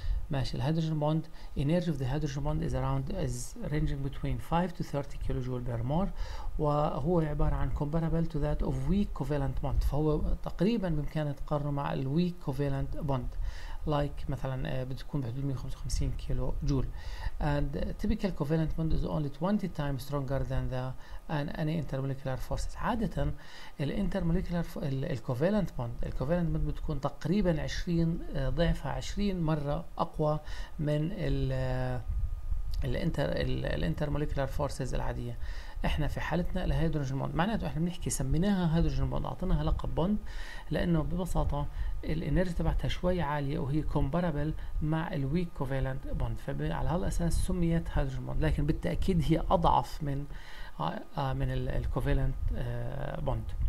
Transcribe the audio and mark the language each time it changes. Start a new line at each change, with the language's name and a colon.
Arabic: ماشي، الهيدروجين بوند إنرجي of the hydrogen bond is around is ranging between 5 to 30 كيلو جول بير مور، وهو عبارة عن comparable to that of weak covalent bond، فهو تقريبا بإمكانه تقارنه مع ال weak covalent bond like مثلا بتكون بحدود 155 كيلو جول.
English: And typical covalent bond is only 20 times stronger than the and any intermolecular forces.
Arabic: عادة الانترموليكولار الكوفالنت بوند، الكوفالنت بوند بتكون تقريبا 20 ضعفها 20 مرة أقوى من الانترموليكولار فورسز العادية. احنا في حالتنا الهيدروجين بوند معناته احنا بنحكي سميناها هيدروجين بوند، اعطيناها لقب بوند لانه ببساطه الانرجي تبعتها شوي عاليه وهي كومبارابل مع الويك كوفالنت بوند، فعلى هالاساس سميت هيدروجين بوند، لكن بالتاكيد هي اضعف من الكوفالنت بوند.